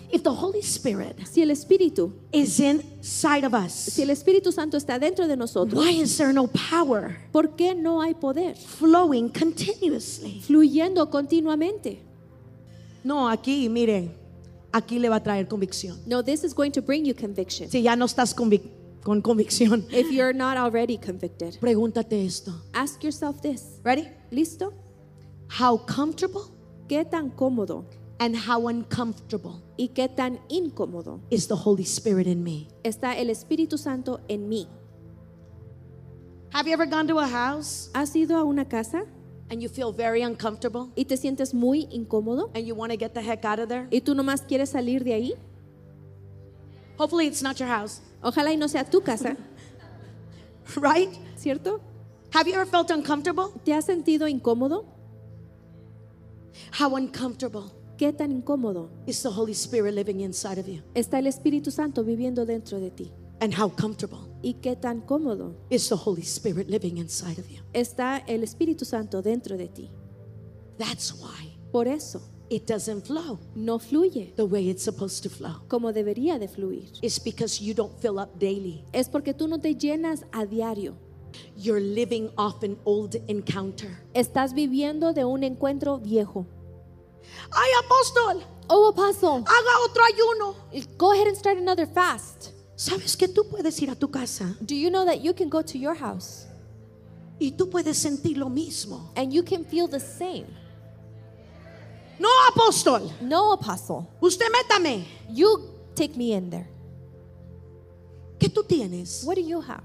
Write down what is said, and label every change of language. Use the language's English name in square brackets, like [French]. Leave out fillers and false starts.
[English] If the Holy Spirit [Spanish] si el Espíritu [English] is inside of us, [Spanish] si el Espíritu Santo está dentro de nosotros, [English] why is there no power? [Spanish] ¿Por qué no hay poder? [English] Flowing continuously. [Spanish] Fluyendo continuamente. No, aquí, mire, aquí le va a traer convicción. [English] No, this is going to bring you conviction. [Spanish] Si ya no estás con convicción, [English] if you're not already convicted, [Spanish] pregúntate esto. [English] Ask yourself this. Ready? [Spanish] Listo. [English] How comfortable? [Spanish] ¿Qué tan cómodo? [English] And how uncomfortable? [Spanish] ¿Y qué tan incómodo? [English] Is the Holy Spirit in me? [Spanish] ¿Está el Espíritu Santo en mí? [English] Have you ever gone to a house? [Spanish] ¿Has ido a una casa? [English] And you feel very uncomfortable? [Spanish] ¿Y te sientes muy incómodo? [English] And you want to get the heck out of there? [Spanish] ¿Y tú nomás quieres salir de ahí? [English] Hopefully it's not your house. [Spanish] Ojalá y no sea tu casa. [English] Right? [Spanish] ¿Cierto? [English] Have you ever felt uncomfortable? [Spanish] ¿Te has sentido incómodo? [English] How uncomfortable? [Spanish] ¿Qué tan incómodo? [English] Is the Holy Spirit living inside of you? [Spanish] ¿Está el Espíritu Santo viviendo dentro de ti? [English] And how comfortable? [Spanish] ¿Y qué tan cómodo? [English] Is the Holy Spirit living inside of you? [Spanish] ¿Está el Espíritu Santo dentro de ti? [English] That's why. [Spanish] Por eso. [English] It doesn't flow. [Spanish] No fluye. [English] The way it's supposed to flow. [Spanish] Como debería de fluir. [English] It's because you don't fill up daily. [Spanish] Es porque tú no te llenas a diario. [English] You're living off an old encounter. [Spanish] Estás viviendo de un encuentro viejo. Ay, apóstol. [English] Oh, apostle. [Spanish] Haga otro ayuno. [English] Go ahead and start another fast. [Spanish] ¿Sabes que tú puedes ir a tu casa? [English] Do you know that you can go to your house? [Spanish] Y tú puedes sentir lo mismo. [English] And you can feel the same. [Spanish] No, apóstol. [English] No, apostle. [Spanish] Usted métame. [English] You take me in there. [Spanish] ¿Qué tú tienes? [English] What do you have?